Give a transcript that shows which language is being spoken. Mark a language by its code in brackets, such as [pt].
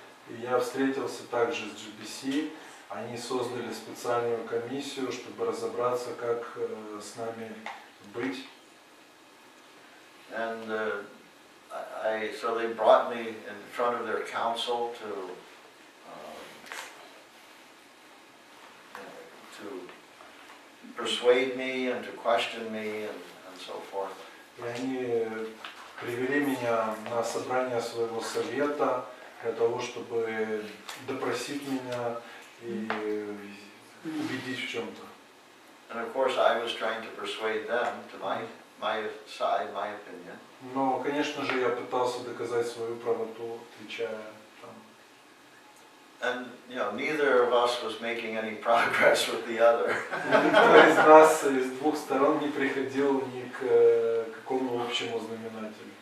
[ru] И я встретился также с GBC. Они создали специальную комиссию, чтобы разобраться, как с нами быть. [en] And so they brought me in front of their council to persuade me and to question me and so forth. [ru] И они привели меня на собрание своего совета для того, чтобы допросить меня и убедить в чем-то. [en] And of course I was trying to persuade them to my side, my opinion. [ru] Но, конечно же, я пытался доказать свою правоту, отвечая. [en] And you know, neither of us was making any progress with the other. [ru] Никто из нас из двух сторон не приходил ни к какому общему знаменателю.